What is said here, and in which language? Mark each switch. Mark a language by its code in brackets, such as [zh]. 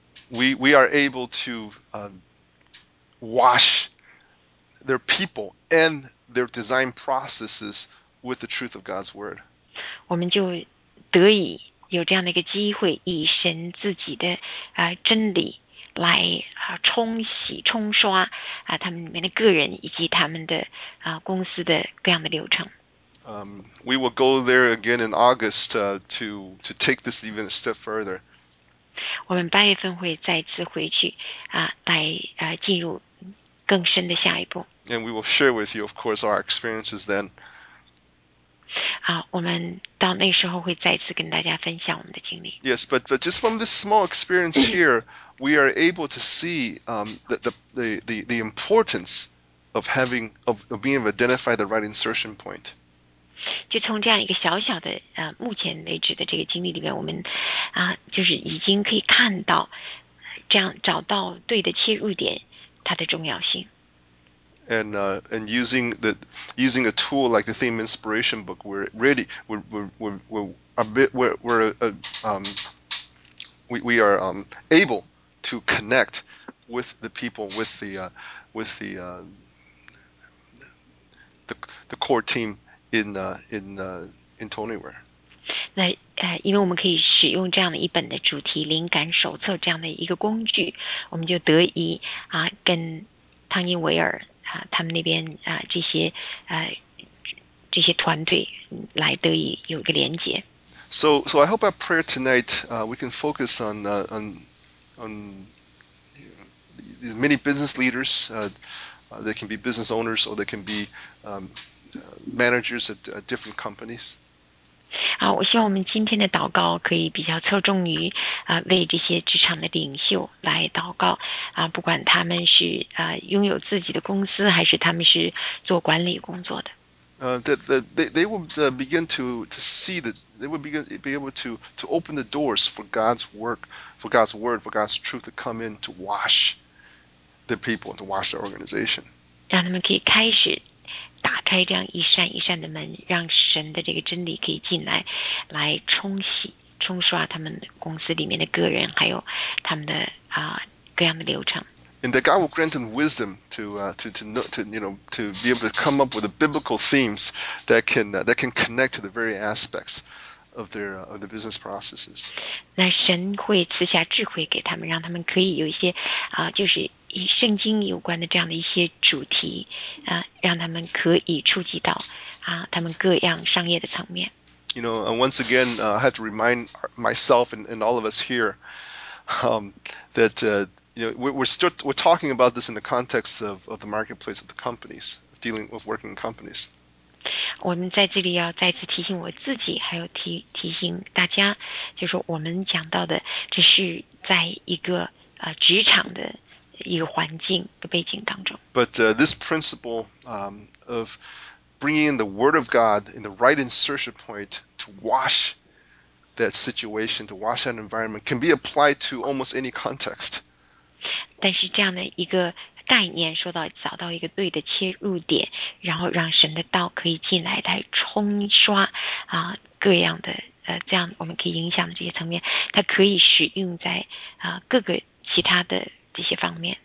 [en] We are able to wash their people and their design processes with the truth of God's word. [zh] 我们就得以有这样的一个机会，以神自己的真理来冲洗、冲刷他们里面的个人以及他们的公司的各样的流程。 [en] We will go there again in August to take this even a step further. [zh] 我们8月份会再次回去来进入更深的下一步。 [en] And we will share with you, of course, our experiences then. [zh] 好，我们到那时候会再次跟大家分享我们的经历。 [en] Yes, but just from this small experience here, we are able to see the importance of having of being identified the right insertion point. [zh] 就从这样一个小小的目前为止的这个经历里面，我们就是已经可以看到，这样找到对的切入点，它的重要性。 [en] And using a tool like the Theme Inspiration Book, we are able to connect with the people, with the core team in Tonyware. [zh] 那因为我们可以使用这样的一本的主题灵感手册这样的一个工具，我们就得以跟汤尼维尔他们那边这些团队来得以有一个连接。 [en] So I hope our prayer tonight, we can focus on the many business leaders, that can be business owners or that can be managers at different companies. [zh] 我希望我们今天的祷告可以比较侧重于为这些职场的领袖来祷告不管他们是拥有自己的公司，还是他们是做管理工作的。 [en] They will begin to see that they will be able to open the doors for God's work, for God's word, for God's truth to come in to wash the people, to wash the organization. [zh] 让他们可以开始打开这样一扇一扇的门，让神的这个真理可以进来，来冲洗、冲刷他们公司里面的个人，还有他们的各样的流程。 [en] And that God will grant them wisdom to be able to come up with the biblical themes that can connect to the very aspects of the business processes. [zh] 那神会赐下智慧给他们，让他们可以有一些就是与圣经有关的这样的一些主题，让他们可以触及到他们各样商业的层面。 [en] You know, and once again, I have to remind myself and all of us here, that we're talking about this in the context of the marketplace of the companies, dealing with working companies. [zh] 我们在这里要再次提醒我自己，还有提醒大家，就是我们讲到的，这是在一个职场的一个环境的背景当中。 [en] But this principle of bringing in the Word of God in the right insertion point to wash that situation, to wash that environment, can be applied to almost any context. [zh] 但是这样的一个概念，说到找到一个对的切入点，然后让神的道可以进来，来冲刷各样的这样我们可以影响的这些层面，它可以使用在各个其他的这些方面。